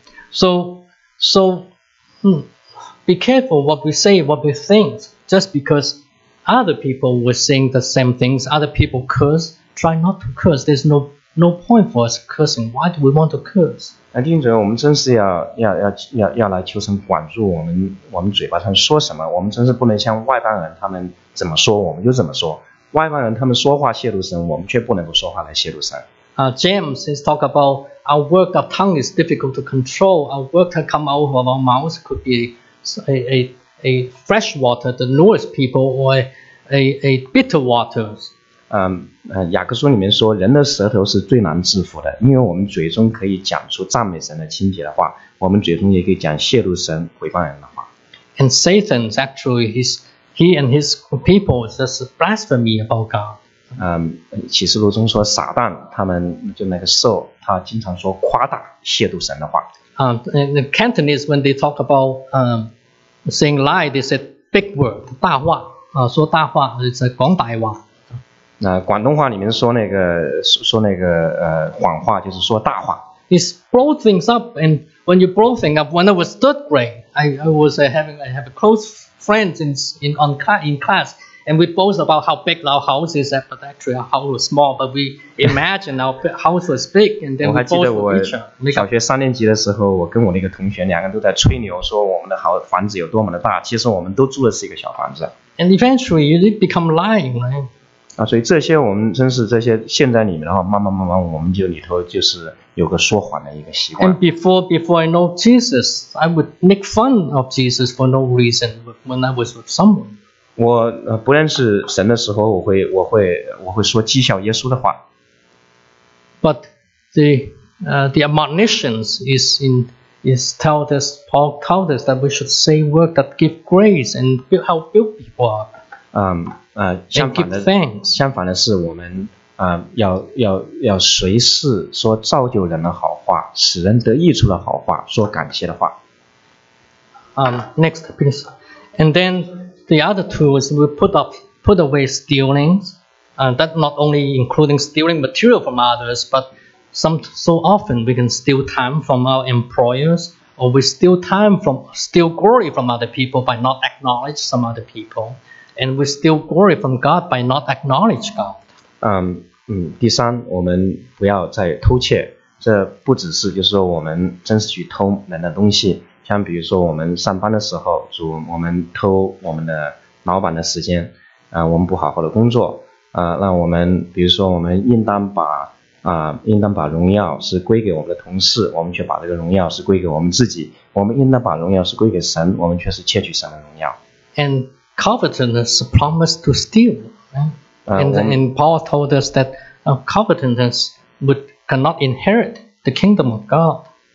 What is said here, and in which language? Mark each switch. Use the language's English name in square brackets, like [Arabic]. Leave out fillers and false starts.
[English] So, be careful what we say, what we think, just because other people were saying the same things, other people curse, try not to curse. There's no point for us cursing. Why do we want to curse? [Chinese] 弟兄姊妹，我们真是要来求神管住我们嘴巴上说什么。我们真是不能像外邦人，他们怎么说我们就怎么说。外邦人他们说话亵渎神，我们却不能不说话来亵渎神。 [English] James has talked about our work of tongue is difficult to control. Our work that come out of our mouths could be a fresh water that nourish people or a bitter waters. [Chinese] 雅各书里面说，人的舌头是最难制服的，因为我们嘴中可以讲出赞美神的清洁的话，我们嘴中也可以讲亵渎神毁谤人的话。 [English] And Satan actually he and his people just blasphemy about God. [Chinese] 启示录中说撒旦他们就那个兽他经常说夸大亵渎神的话。 [English] The Cantonese when they talk about saying lie, they said big word, [Chinese] 大话说大话就是广大话。广东话里面说那个谎话就是说大话。 [English] It's brought things up, and when you brought things up, when I was third grade, I have a close friend in class. And we boast about how big our house is, but actually our house was small. But we imagine our house was big, and then we boast about each other. [Chinese] 小学三年级的时候，我跟我那个同学两个都在吹牛，说我们的房子有多么的大。其实我们都住的是一个小房子。 [English] And eventually, you become lying, right? [Chinese] 所以这些我们真是这些陷在里面的话，慢慢，我们就里头就是有个说谎的一个习惯。 [English] And before I know Jesus, I would make fun of Jesus for no reason when I was with someone. [Chinese] 我不认识神的时候，我会说讥笑耶稣的话。 [English] But the admonitions is tell us Paul tells us that we should say words that give grace and help build people up. And give thanks. [Chinese] 相反的是，我们要随时说造就人的好话，使人得益处的好话，说感谢的话。 [English] Next please, and then. The other two is we put away stealing, and that not only including stealing material from others, but so often we can steal time from our employers, or we steal time from, steal glory from other people by not acknowledge some other people, and we steal glory from God by not acknowledge God. [Chinese] 第三，我们不要再偷窃，这不只是就是说我们真是去偷人的东西。像比如说我们上班的时候，主，我们偷我们的老板的时间，我们不好好的工作，那我们比如说我们应当把荣耀是归给我们的同事，我们却把这个荣耀是归给我们自己，我们应当把荣耀是归给神，我们却是窃取神的荣耀。 [English] And covetousness promised to steal, and Paul told us that covetousness would cannot inherit the kingdom of God.